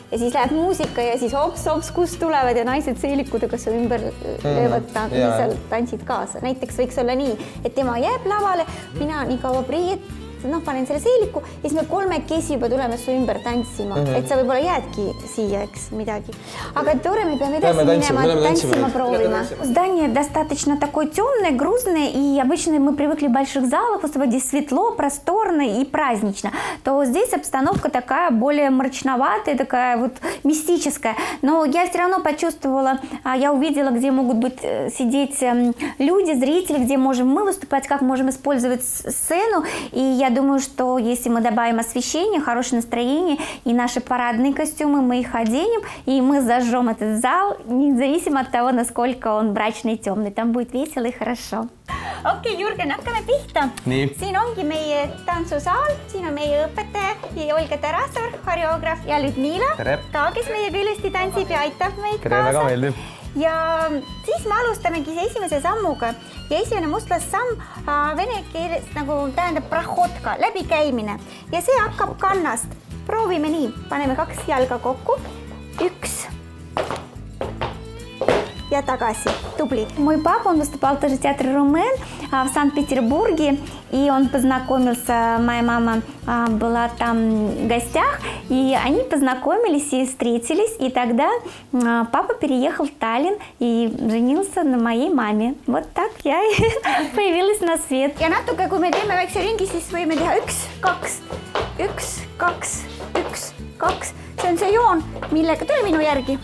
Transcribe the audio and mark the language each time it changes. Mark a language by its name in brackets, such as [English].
[Estonian] Ja siis läheb muusika ja siis hops, kus tulevad ja naised seelikudega sa ümber löövad tantsisel tantsid kaasa. Näiteks võiks olla nii, et tema jääb lavale, mina nii kaua priiet, panen selle seeliku ja siis me kolme kesi juba tuleme su ümber tantsima. Et sa võib-olla jäädki siia, eks midagi. Aga tore, me peame edasi minema tantsima proovima. [Russian] Здание достаточно такое темное, грузное и обычно мы привыкли в больших залах, особо здесь светло, просторно и празднично. То здесь обстановка такая более мрачноватая, такая вот мистическая. Но я все равно почувствовала, я увидела, где могут быть сидеть люди, зрители, где можем мы выступать, как можем использовать сцену. И я думаю, что если мы добавим освещение, хорошее настроение и наши парадные костюмы, мы их оденем, и мы зажжем этот зал, независимо от того, насколько он мрачный и темный. Там будет весело и хорошо. [Estonian] Okei, okay, Jürgen, hakkame pihta. Nii. Siin ongi meie tantsusaal, siin on meie õpetaja ja Olga Tarasor, koreograaf ja Ludmila. Tere. Ka, kes meie pilusti tantsib ja aitab meid kaasa. Tere, väga meeldib. Ja siis me alustamegi esimese sammuga. Ja esimene mustlas samm vene keeles nagu tähendab prahotka, läbikäimine. Ja see hakkab kannast. Proovime nii. Paneme kaks jalga kokku. Üks. Ja tagasi. Tubli. [Russian] Мой папа, он выступал тоже в театре Румен в Санкт-Петербурге, и он познакомился, моя мама была там в гостях, и они познакомились и встретились, и тогда папа переехал в Таллин и женился на моей маме. Вот так я и появилась на свет. [Estonian] Ja natuke, kui me teeme väikse ringi, siis võime teha üks, kaks, üks, kaks, üks, kaks. See on see joon, millega tuli minu järgi.